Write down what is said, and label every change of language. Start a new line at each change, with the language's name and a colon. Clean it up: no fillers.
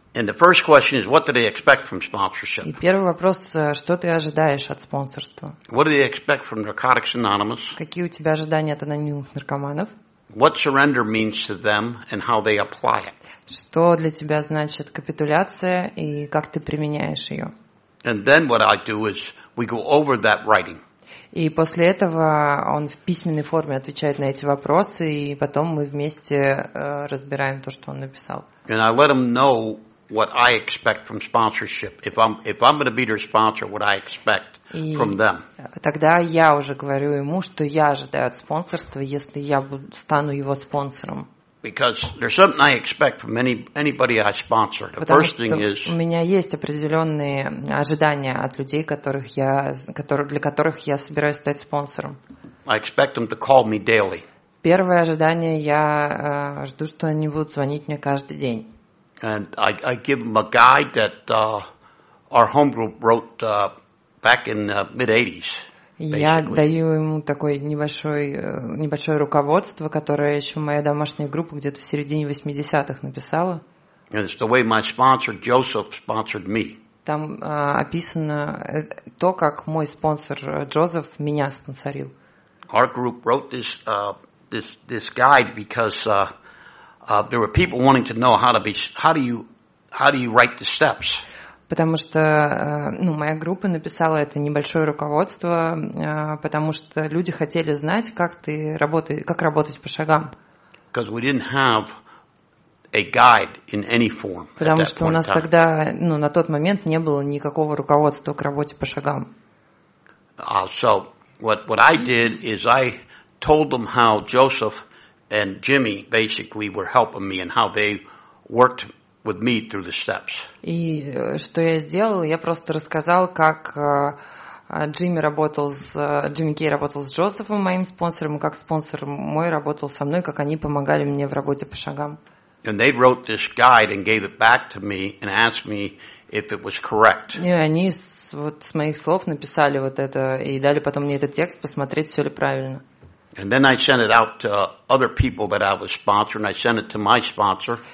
English: And the first question is, what do they expect from sponsorship?
Russian: И первый вопрос, что ты ожидаешь от спонсорства?
English: What do they expect from Narcotics Anonymous?
Russian: Какие у тебя ожидания от анонимных наркоманов?
English: What surrender means to them and how they apply it?
Russian: Что для тебя значит капитуляция и как ты применяешь ее?
English: And then what I do is we go over that writing.
Russian: И после этого он в письменной форме отвечает на эти вопросы, и потом мы вместе разбираем то, что он написал.
English: And I let him know what I expect from sponsorship. If I'm going to be their sponsor, what I expect from them.
Russian: Тогда я уже говорю ему, что я ожидаю от спонсорства, если я стану его спонсором.
English: Because there's something I expect from anybody I sponsor. The first thing is.
Russian: У меня есть определенные ожидания от людей, для которых я собираюсь стать спонсором.
English: I expect them to call me daily.
Russian: Первое ожидание я жду, что они будут звонить мне каждый день.
English: And I give them a guide that our home group wrote back in mid-80s.
Russian: Я даю ему такое небольшое руководство, которое еще моя домашняя группа где-то в середине 80-х написала.
English: It's the way my sponsor Joseph sponsored me.
Russian: Там описано то, как мой спонсор Джозеф меня спонсорил.
English: Our group wrote this guide because there were people wanting to know how do you write the steps.
Russian: Потому что, ну, моя группа написала это небольшое руководство, потому что люди хотели знать, как работать по шагам.
English: Because we didn't have a guide in any form.
Russian: Потому что у нас тогда, ну, на тот момент не было никакого руководства к работе по шагам.
English: So what I did is I told them how Joseph and Jimmy basically were helping me and how they worked with me through the steps.
Russian: И что я сделал? Я просто рассказал, как Джимми Кей работал с Джозефом, моим спонсором, и как спонсор мой работал со мной, как они помогали мне в работе по шагам.
English: And they wrote this guide and gave it back to me and asked me if it was correct.
Russian: И они вот с моих слов написали вот это и дали потом мне этот текст посмотреть, все ли правильно.
English: And then I sent it out to other people that I was sponsoring. I sent it to my sponsor.